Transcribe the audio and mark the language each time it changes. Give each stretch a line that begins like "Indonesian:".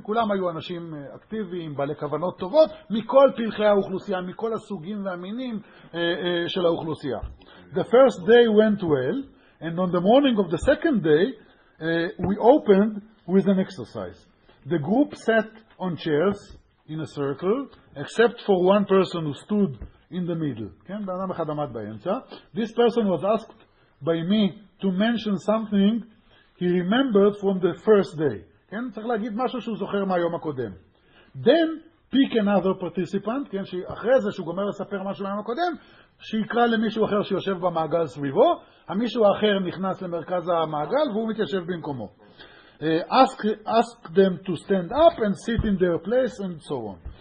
Hebrew: כולם היו אנשים אקטיביים, בעלי כוונות טובות, מכל פלחי האוכלוסייה, מכל הסוגים והמינים של האוכלוסייה.
English: The first day went well, and on the morning of the second day, we opened with an exercise. The group sat on chairs in a circle, except for one person who stood in the middle. כן?
Hebrew: באדם אחד עמד באמצע.
English: This person was asked by me to mention something he remembered from the first day.
Hebrew: כן? צריך להגיד משהו שהוא זוכר מהיום הקודם.
English: Then, pick another participant,
Hebrew: כן? שאחרי זה שהוא גומר לספר משהו מהיום הקודם, שיקרא למישהו אחר שיושב במעגל סביבו, המישהו האחר נכנס למרכז המעגל, והוא מתיישב במקומו.
English: Ask them to stand up and sit in their place, and so on.